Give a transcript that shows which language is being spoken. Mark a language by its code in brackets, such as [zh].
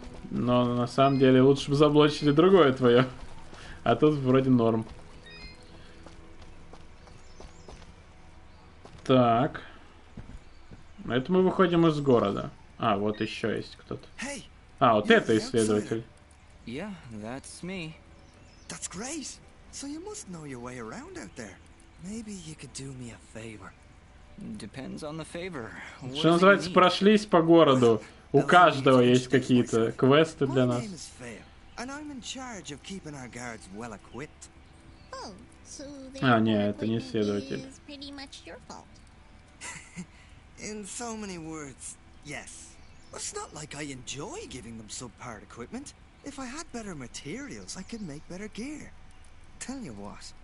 [ru] Но на самом деле лучше бы заблочили другое твое. А тут вроде норм. Так. Это мы выходим из города. А, вот еще есть кто-то. А, вот это исследователь. [en] Yeah, that's me. That's great. So you must know your way around out there. Maybe you could do me a favor. Depends on the favor. [ru] Что называется, прошлись по городу. У каждого есть какие-то квесты для нас. [en] My name is Fail, and I'm in charge of keeping our guards well equipped. Oh, so they're [ru] это не следователь. [en] It's pretty much your fault. In so many words, yes. It's not like I enjoy giving them subpar equipment. If I had better materials, I could make better gear. Tell you what.